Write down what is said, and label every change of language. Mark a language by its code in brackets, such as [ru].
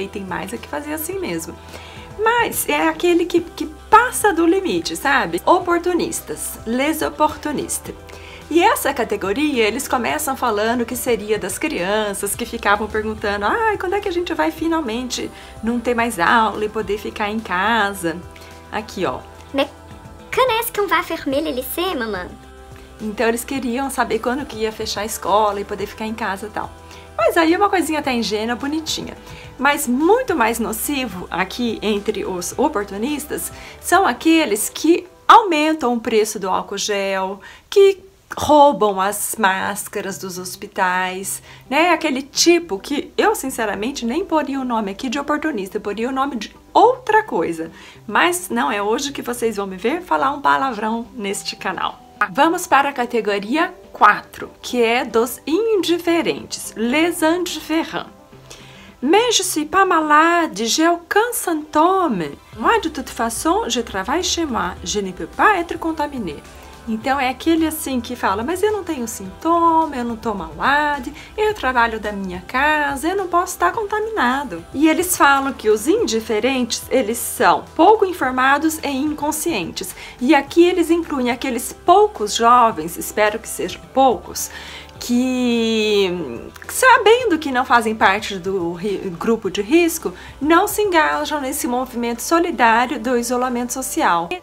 [pt] E tem mais a que fazer assim mesmo. Mas é aquele que passa do limite, sabe? Oportunistas, [fr] les opportunistes. [pt] E essa categoria, eles começam falando que seria das crianças que ficavam perguntando: ai, quando é que a gente vai finalmente não ter mais aula e poder ficar em casa? Aqui, ó. [fr] Mais quand est-ce qu'on va fermer les lycées, maman? [pt] Então eles queriam saber quando que ia fechar a escola e poder ficar em casa e tal. Mas aí é uma coisinha até ingênua, bonitinha. Mas muito mais nocivo aqui entre os oportunistas são aqueles que aumentam o preço do álcool gel, que roubam as máscaras dos hospitais, né? Aquele tipo que eu, sinceramente, nem poria o nome aqui de oportunista, eu poria o nome de outra coisa. Mas não é hoje que vocês vão me ver falar um palavrão neste canal. Vamos para a categoria 4, que é dos indiferentes, [fr] les indifférents. Mais je suis pas malade, j'ai aucun symptôme. Moi, de toute façon, je travaille chez moi, je ne peux pas être contaminé. [pt] Então é aquele assim que fala, mas eu não tenho sintoma, eu não tô malade, eu trabalho da minha casa, eu não posso estar contaminado. E eles falam que os indiferentes, eles são pouco informados e inconscientes. E aqui eles incluem aqueles poucos jovens, espero que sejam poucos, que sabendo que não fazem parte do grupo de risco, não se engajam nesse movimento solidário do isolamento social.